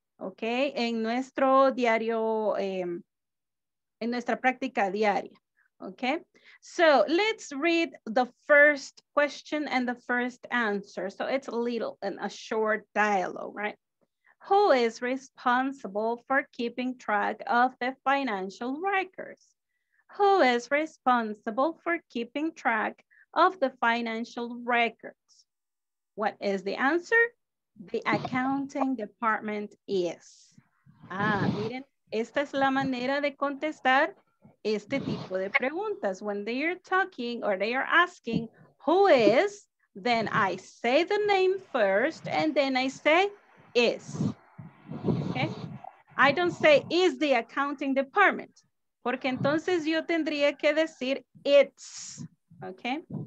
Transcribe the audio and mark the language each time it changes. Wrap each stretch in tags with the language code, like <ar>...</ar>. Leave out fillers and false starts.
<es>Okay, en nuestro diario, en nuestra práctica diaria.</es> <en>Okay, so let's read the first question and the first answer. So it's a little and a short dialogue, right? Who is responsible for keeping track of the financial records? Who is responsible for keeping track of the financial records? What is the answer? The accounting department is.</en> <es>Ah, miren, esta es la manera de contestar este tipo de preguntas.</es> <en>When they are talking or they are asking who is, then I say the name first and then I say is. Okay? I don't say is the accounting department.</en> <es>Porque entonces yo tendría que decir it's, okay?</es>